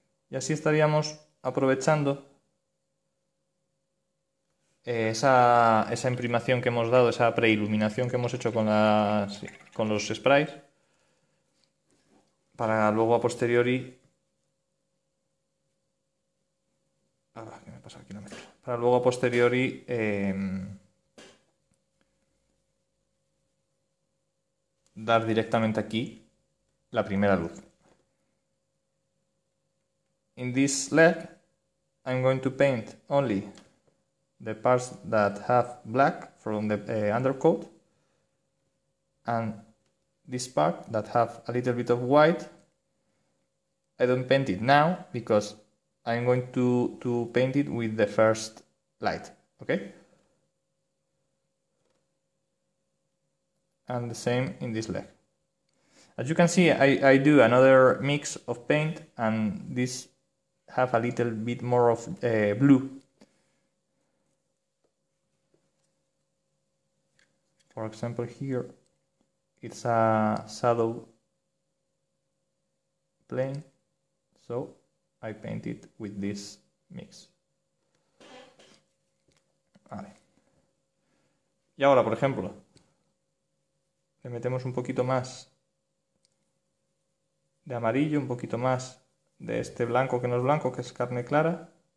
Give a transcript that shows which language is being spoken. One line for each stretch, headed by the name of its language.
Spanish: Y así estaríamos aprovechando esa imprimación que hemos dado, esa preiluminación que hemos hecho con los sprays, para luego a posteriori. Ahora, ¿qué me pasa aquí la mezcla? Para luego a posteriori dar directamente aquí la primera luz.
English: In this leg, I'm going to paint only the parts that have black from the undercoat and this part that have a little bit of white. I don't paint it now because I'm going to paint it with the first light, okay? And the same in this leg. As you can see, I do another mix of paint and this have a little bit more of blue. For example, here it's a shadow plane. So I paint it with this mix.
Spanish: Vale. Y ahora, por ejemplo, le metemos un poquito más de amarillo, un poquito más de este blanco que no es blanco, que es carne clara.